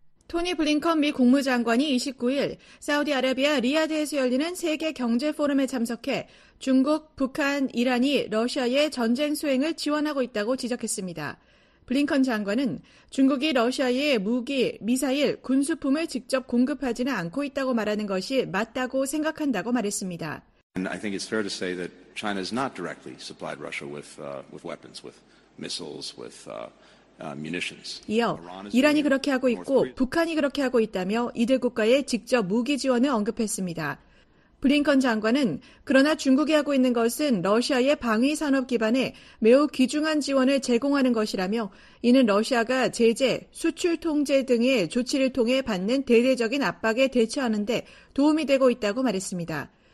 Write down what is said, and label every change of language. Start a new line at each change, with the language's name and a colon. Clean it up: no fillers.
Korean: 토니 블링컨 미 국무장관이 29일 사우디아라비아 리야드에서 열리는 세계 경제 포럼에 참석해 중국, 북한, 이란이 러시아의 전쟁 수행을 지원하고 있다고 지적했습니다. 블링컨 장관은 중국이 러시아에 무기, 미사일, 군수품을 직접 공급하지는 않고 있다고 말하는 것이 맞다고 생각한다고 말했습니다.
English: And I think it's fair to say that China has not directly supplied Russia with weapons, with missiles, with munitions.
Korean: 이어 이란이 그렇게 하고 있고 북한이 그렇게 하고 있다며 이들 국가에 직접 무기 지원을 언급했습니다. 블링컨 장관은 그러나 중국이 하고 있는 것은 러시아의 방위 산업 기반에 매우 귀중한 지원을 제공하는 것이라며 이는 러시아가 제재, 수출 통제 등의 조치를 통해 받는 대대적인 압박에 대처하는 데 도움이 되고 있다고 말했습니다.